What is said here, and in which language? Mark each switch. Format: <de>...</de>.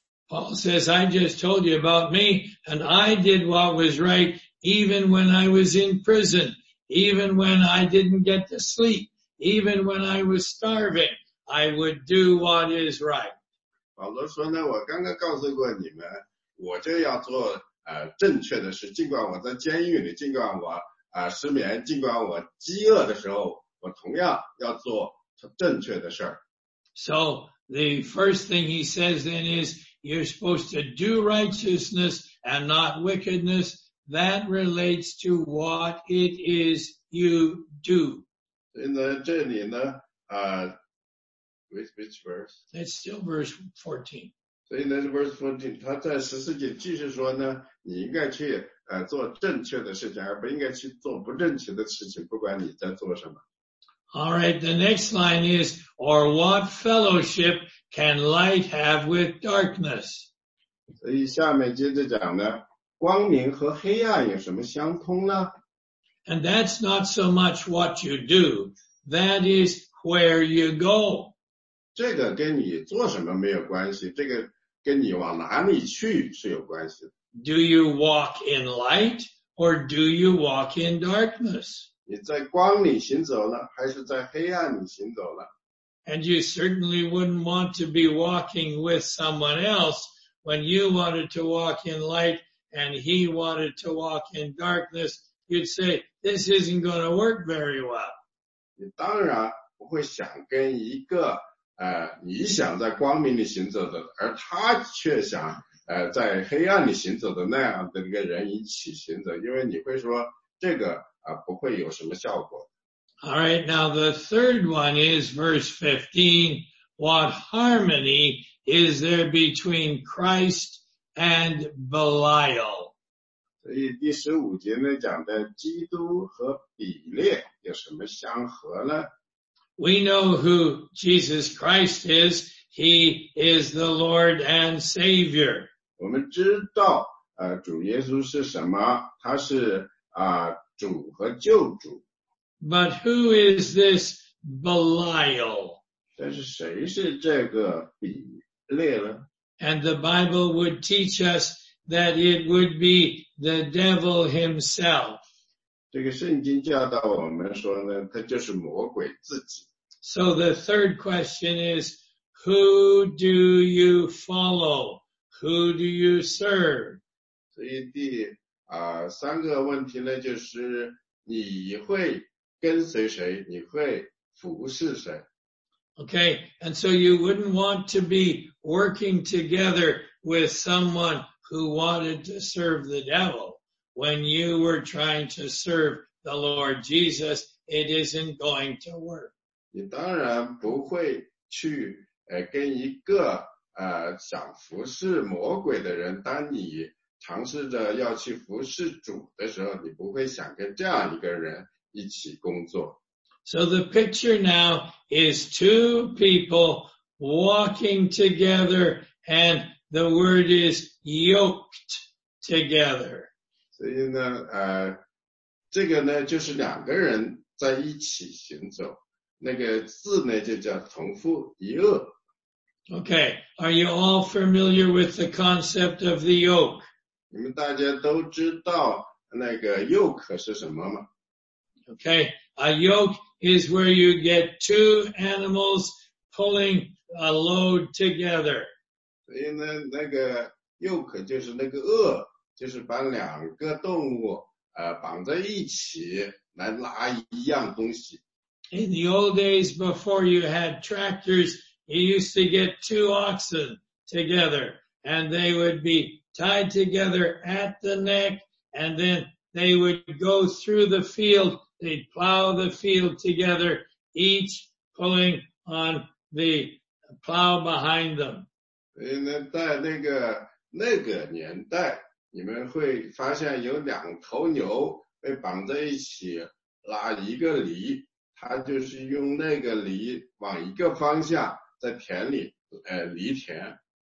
<en>Paul says, I just told you about me, and I did what was right even when I was in prison, even when I didn't get to sleep, even when I was starving, I would do what is right.</en> <zh>保罗说呢，我刚刚告诉过你们，我就要做正确的事，尽管我在监狱里，尽管我失眠，尽管我饥饿的时候，我同样要做正确的事。</zh> <en>So, the first thing he says then is,You're supposed to do righteousness and not wickedness. That relates to what it is you do.</en> <zh>所以呢，这里呢，</zh> <en>which verse? It's still verse 14.</en> <zh>所以呢，是</zh> <en>verse 14.</en> <zh>他在十四节继续说呢，你应该去做正确的事情，而不应该去做不正确的事情，不管你在做什么。</zh> <en>All right, the next line is, or what fellowship can light have with darkness?</en> <zh>所以下面接着讲呢，光明和黑暗有什么相通呢？</zh> <en>And that's not so much what you do, that is where you go.</en> <zh>这个跟你做什么没有关系，这个跟你往哪里去是有关系的。</zh> <en>Do you walk in light or do you walk in darkness?</en> <zh>你在光里行走呢，还是在黑暗里行走呢？</zh> <en>And you certainly wouldn't want to be walking with someone else when you wanted to walk in light and he wanted to walk in darkness. You'd say, this isn't going to work very well.</en> <zh>你当然不会想跟一个你想在光明里行走的，而他却想在黑暗里行走的那样的一个人一起行走，因为你会说这个不会有什么效果。</zh> <en>All right, now the third one is verse 15. What harmony is there between Christ and Belial?</en> <zh>所以第十五节呢讲的基督和比列有什么相合呢？</zh> <en>We know who Jesus Christ is. He is the Lord and Savior.</en> <zh>我们知道主耶稣是什么，他是主和救主。</zh> <en>But who is this Belial?</en> <zh>但是谁是这个比列呢？</zh> <en>And the Bible would teach us that it would be the devil himself.</en> <zh>这个圣经教导我们说呢，他就是魔鬼自己。</zh> <en>So the third question is, who do you follow? Who do you serve?</en> <zh>所以第三个问题呢，就是你会跟随谁，你会服侍谁。</zh> <en>Okay, and so you wouldn't want to be working together with someone who wanted to serve the devil. When you were trying to serve the Lord Jesus, it isn't going to work.</en> <zh>你当然不会去跟一个想服侍魔鬼的人，当你尝试着要去服侍主的时候，你不会想跟这样一个人一起工作。</zh> <en>So the picture now is two people walking together and the word is yoked together.</en> <zh>所以呢这个呢就是两个人在一起行走。那个字呢就叫同父异轭。</zh> <en>Okay, are you all familiar with the concept of the yoke?</en> <zh>你们大家都知道那个 yoke 是什么吗？</zh> <en>Okay, a yoke is where you get two animals pulling a load together.</en> <zh>所以呢那个 yoke 就是那个轭，就是把两个动物绑在一起来拉一样东西。</zh> <en>In the old days before you had tractors, you used to get two oxen together and they would be tied together at the neck and then they would go through the field, they'd plow the field together, each pulling on the plow behind them.</en> <zh>在那个年代，你们会发现有两头牛被绑在一起拉一个犁，他就是用那个犁往一个方向在田里犁田。</zh>